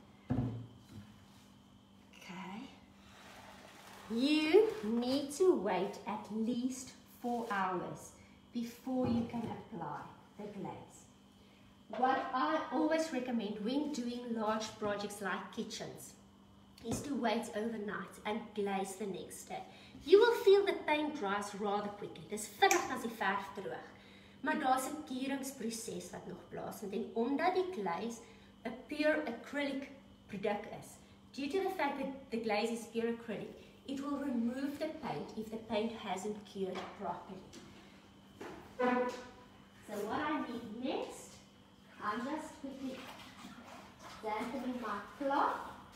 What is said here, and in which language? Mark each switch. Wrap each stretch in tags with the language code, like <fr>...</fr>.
<en>Okay. You need to wait at least 4 hours before you can apply the glaze. What I always recommend when doing large projects like kitchens is to wait overnight and glaze the next day. You will feel the paint dries rather quickly.</en> <af>Dis vinnig as die verf droog. Maar daar's 'n kieringsproses wat nog plaasvind en omdat die glaze 'n pure acrylic product is.</af> <en>Due to the fact that the glaze is pure acrylic, it will remove the paint if the paint hasn't cured properly. So what I need next, I'm just quickly dampening my cloth.</en>